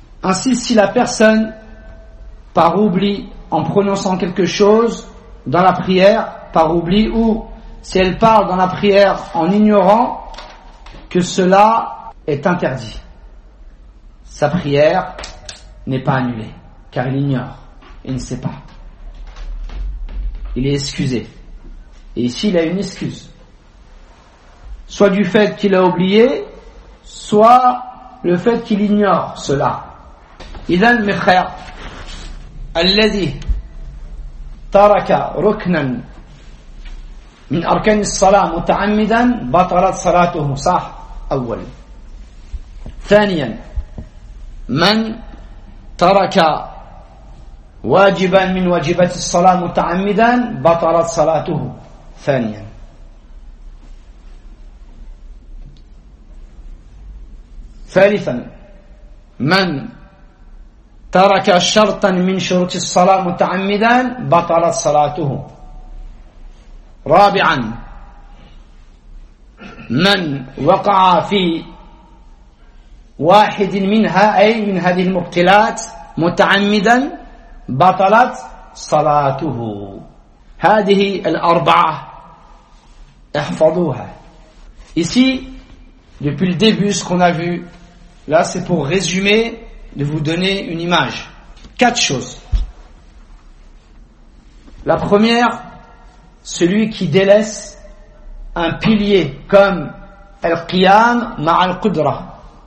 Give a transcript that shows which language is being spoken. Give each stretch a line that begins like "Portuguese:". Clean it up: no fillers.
French: Ainsi, si la personne, par oubli, en prononçant quelque chose dans la prière, par oubli, ou si elle parle dans la prière en ignorant que cela est interdit, sa prière n'est pas annulée, car il ignore, il ne sait pas. Il est excusé. Et ici, il a une excuse. Soit du fait qu'il a oublié, soit le fait qu'il ignore cela. Il a mes frères,
Arabic: alladhi taraka ruknan من أركان الصلاة متعمدا بطلت صلاته صح أولا ثانيا من ترك واجبا من واجبات الصلاة متعمدا بطلت صلاته ثانيا ثالثا من ترك شرطا من شروط الصلاة متعمدا بطلت صلاته رابعا من وقع في واحد منها أي من هذه المبطلات متعمدا بطلت صلاته هذه الأربعة احفظوها.
French: Ici, depuis le début, ce qu'on a vu là, c'est pour résumer, de vous donner une image. Quatre choses. La première, celui qui délaisse un pilier comme
Arabic: al-qiyam ma' al-qudra.